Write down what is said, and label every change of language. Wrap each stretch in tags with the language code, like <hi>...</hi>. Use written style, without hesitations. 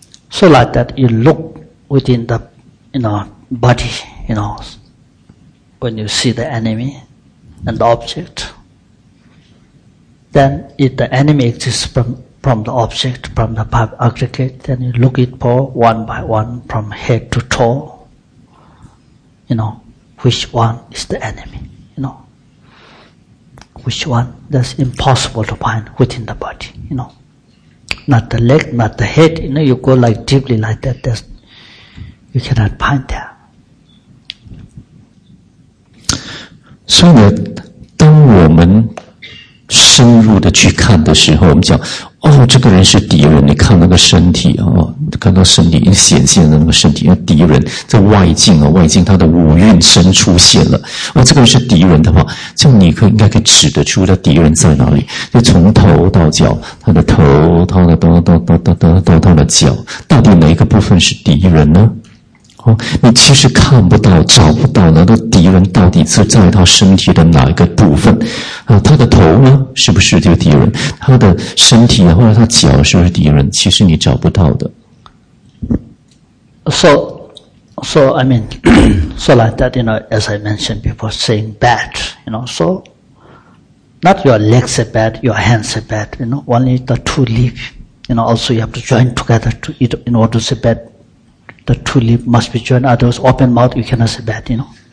<en>So like that, you look within the, you know, body, you know, when you see the enemy and the object, then if the enemy exists from the object, from the five aggregate, then you look it for one by one from head to toe, you know, which one is the enemy, you know, which one, that's impossible to find within the body, you know. Not the leg, not the head, you know, you go like deeply like that, that's, you cannot find that.</en> <zh>所以呢，当我们深入的去看的时候，我们讲，哦，这个人是敌人，你看那个身体，看到身体，显现的那个身体，敌人，这外境，外境他的五蕴身出现了，这个人是敌人的话，就你应该可以指得出他敌人在哪里，就从头到脚，他的头，他的头，他的脚，到底哪一个部分是敌人呢？你其实看不到找不到那个敌人到底是在他身体的哪一个部分，他的头呢是不是就敌人，他的身体或者他脚是不是敌人，其实你找不到的。</zh> <en>So like that, you know, as I mentioned before, saying bad, you know, so Not your legs are bad, your hands are bad, you know, only the two leaves. You know, also you have to join together to eat in order to say bad. The two leaves must be joined, otherwise open mouth you cannot say bad, you know.</en>